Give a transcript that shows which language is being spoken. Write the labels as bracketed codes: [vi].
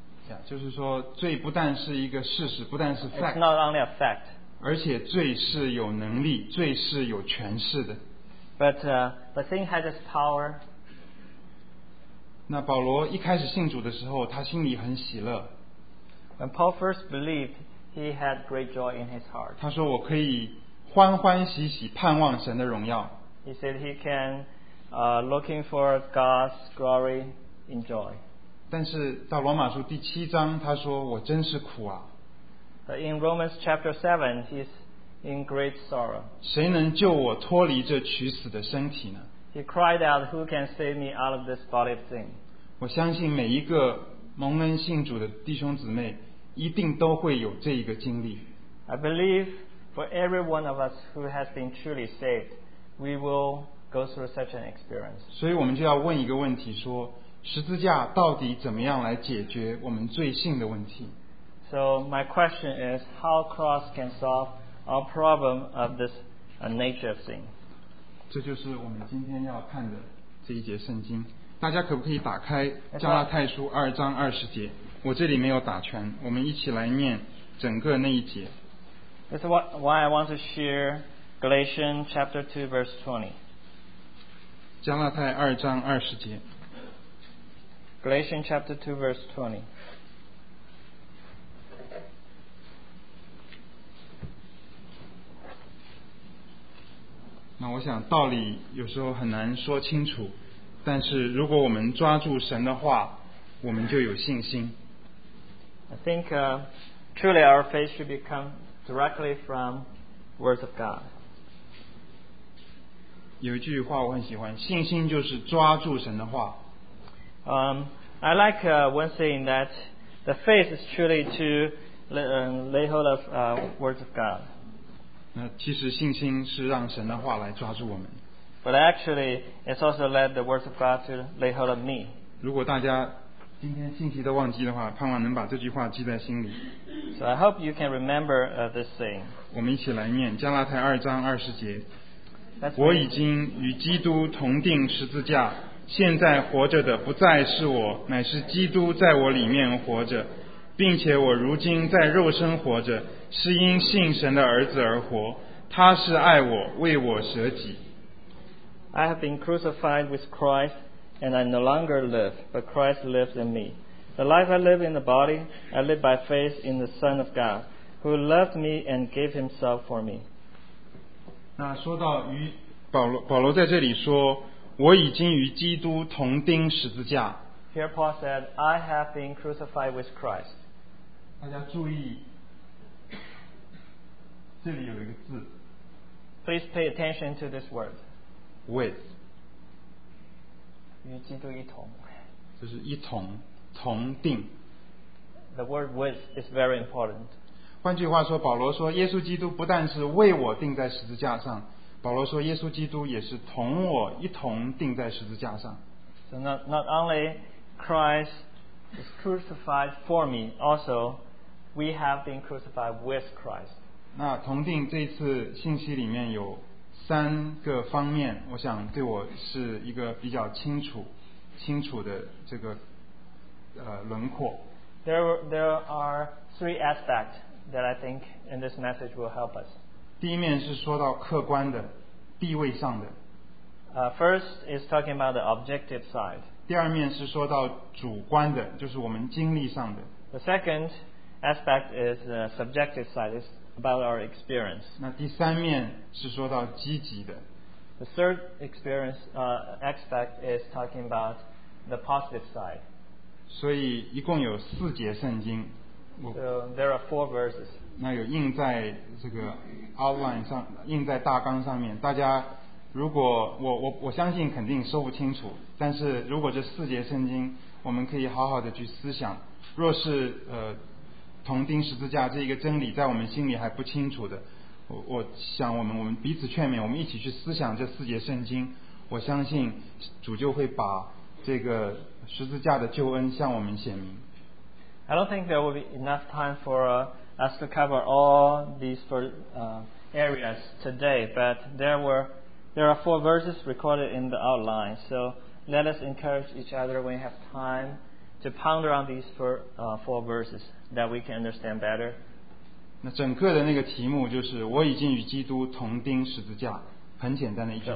[zh] Yeah, 就是说罪不但是一个事实，不但是 [en] fact, it's not only a fact, [zh] 而且罪是有能力，罪是有权势的。 [en] But the sin has its power. [zh] 那保罗一开始信主的时候，他心里很喜乐。 [en] When Paul first believed, he had great joy in his heart. [zh] 他说我可以欢欢喜喜盼望神的荣耀。 [en] He said he can looking for God's glory in joy. [zh] 但是到罗马书第七章，他说我真是苦啊。 [en] In Romans chapter 7, he's in great sorrow. [zh] 谁能救我脱离这取死的身体呢？ [en] He cried out, who can save me out of this body of sin? [zh] 我相信每一个蒙恩信主的弟兄姊妹一定都会有这一个经历。 [en] I believe for every one of us who has been truly saved, we will go through such an experience. [zh] 所以我们就要问一个问题，说十字架到底怎么样来解决我们罪性的问题。 [en] So my question is, how cross can solve our problem of this nature of sin? [zh] 这就是我们今天要看的这一节圣经。大家可不可以打开加拉太书二章二十节，我这里没有打全，我们一起来念整个那一节。 [en] That's why I want to share Galatians chapter 2 verse 20. [zh] 加拉太二章二十节。 [en] Galatians chapter 2 verse 20. [zh] 那我想道理有时候很难说清楚，但是如果我们抓住神的话，我们就有信心。 [en] I think truly our faith should become directly from words of God. [zh] 有一句话我很喜欢，信心就是抓住神的话。 [en] I like one saying that the faith is truly to lay hold of words of God. [zh] 那其实信心是让神的话来抓住我们。 [en] But actually, it's also led the words of God to lay hold of me. [zh] 如果大家今天信息都忘记的话，盼望能把这句话记在心里。 [en] So I hope you can remember this saying. [zh] 我们一起来念加拉太二章二十节。 [en] That's [zh] 我已经与基督同钉十字架，现在活着的不再是我，乃是基督在我里面活着，并且我如今在肉身活着，是因信神的儿子而活，他是爱我，为我舍己。 [en] I have been crucified with Christ, and I no longer live, but Christ lives in me. The life I live in the body, I live by faith in the Son of God, who loved me and gave himself for me. [zh] 那说到与保罗在这里说，我已经与基督同钉十字架。 [en] Here Paul said, I have been crucified with Christ. [zh] 大家注意，这里有一个字。 [en] Please pay attention to this word. With. [zh] 与基督一同，就是一同同定。 [en] The word with is very important. [zh] 换句话说，保罗说耶稣基督不但是为我定在十字架上，保罗说耶稣基督也是同我一同定在十字架上。 [en] So not only Christ is crucified for me, also we have been crucified with Christ. [zh] 那同定这次信息里面有三个方面，我想对我是一个比较清楚、清楚的这个轮廓。 [en] There are three aspects that I think in this message will help us. [zh] 第一面是说到客观的、地位上的。 [en] First is talking about the objective side. [zh] 第二面是说到主观的，就是我们经历上的。 [en] The second aspect is the subjective side. It's about our experience. [zh] 那第三面是说到积极的。 [en] The third aspect is talking about the positive side. [zh] 所以一共有四节圣经。 [en] So there are four verses. [zh] 那有印在这个 outline 上，印在大纲上面，大家。如果 我相信肯定说不清楚，但是如果这四节圣经我们可以好好的去思想，若是同钉十字架这个真理在我们心里还不清楚的， 我想我们彼此劝勉，我们一起去思想这四节圣经，我相信主就会把这个十字架的救恩向我们显明。 [en] I don't think there will be enough time for us to cover all these four areas today, but there are four verses recorded in the outline, so let us encourage each other when we have time to ponder on these four verses that we can understand better. [zh] 那整个的那个题目就是我已经与基督同钉十字架，很简单的一句话。